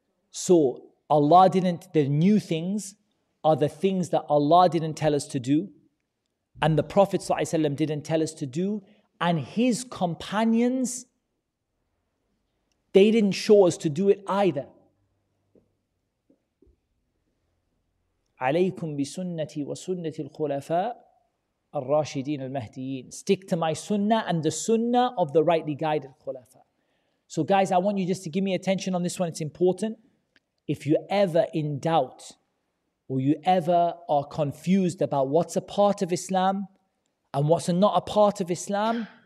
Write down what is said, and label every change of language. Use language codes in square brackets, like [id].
[en] So Allah didn't, the new things are the things that Allah didn't tell us to do. And the Prophet ﷺ didn't tell us to do. And his companions, they didn't show us to do it either. [ar] عليكم بسنتي وسنة الخلفاء الراشدين المهديين. [en] Stick to my sunnah and the sunnah of the rightly guided khulafa. So guys, I want you just to give me attention on this one. It's important. If you're ever in doubt or you ever are confused about what's a part of Islam and what's not a part of Islam,